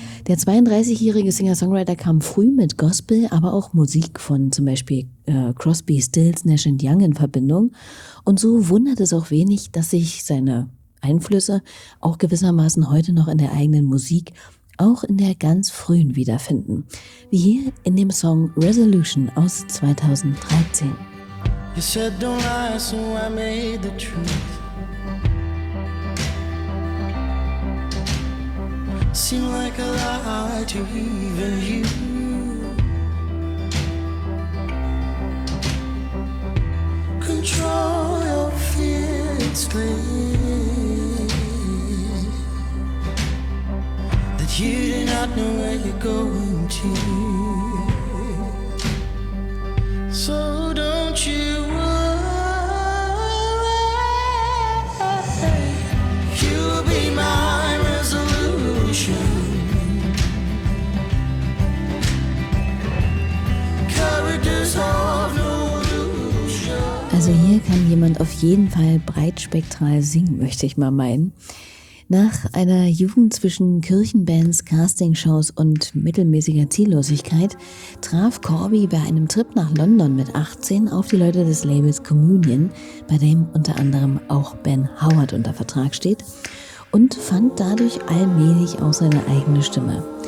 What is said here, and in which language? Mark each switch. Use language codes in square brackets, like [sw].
[de] Der 32-jährige Singer-Songwriter kam früh mit Gospel, aber auch Musik von zum Beispiel Crosby, Stills, Nash & Young in Verbindung. Und so wundert es auch wenig, dass sich seine Einflüsse auch gewissermaßen heute noch in der eigenen Musik, auch in der ganz frühen, wiederfinden. Wie hier in dem Song Resolution aus 2013. [en] You said don't lie, so I made the truth seem like a lie to even you. Control your fear, it's clear. You do not know where you're going to. So don't you worry. You'll be my resolution. Characters of no illusion. [de] Also hier kann jemand auf jeden Fall breitspektral singen, möchte ich mal meinen. Nach einer Jugend zwischen Kirchenbands, Castingshows und mittelmäßiger Ziellosigkeit traf Corby bei einem Trip nach London mit 18 auf die Leute des Labels Communion, bei dem unter anderem auch Ben Howard unter Vertrag steht, und fand dadurch allmählich auch seine eigene Stimme.